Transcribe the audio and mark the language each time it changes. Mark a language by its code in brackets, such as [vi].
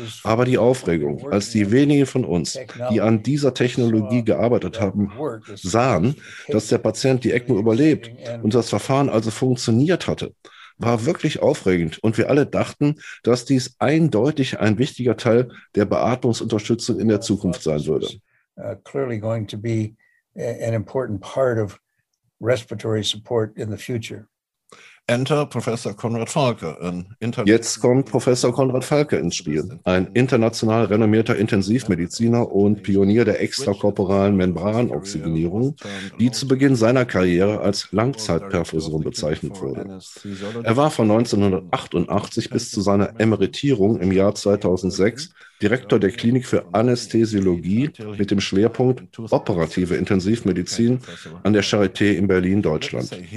[de] Aber die Aufregung, als die wenigen von uns, die an dieser Technologie gearbeitet haben, sahen, dass der Patient die ECMO überlebt und das Verfahren also funktioniert hatte, war wirklich aufregend und wir alle dachten, dass dies eindeutig ein wichtiger Teil der Beatmungsunterstützung in der Zukunft sein würde. [en] An important part of respiratory support in the future. Enter Professor Konrad Falke. [de] Jetzt kommt Professor Konrad Falke ins Spiel, ein international renommierter Intensivmediziner und Pionier der extrakorporalen Membranoxygenierung, die zu Beginn seiner Karriere als Langzeitperfusion bezeichnet wurde. Er war von 1988 bis zu seiner Emeritierung im Jahr 2006 Direktor der Klinik für Anästhesiologie mit dem Schwerpunkt operative Intensivmedizin an der Charité in Berlin, Deutschland.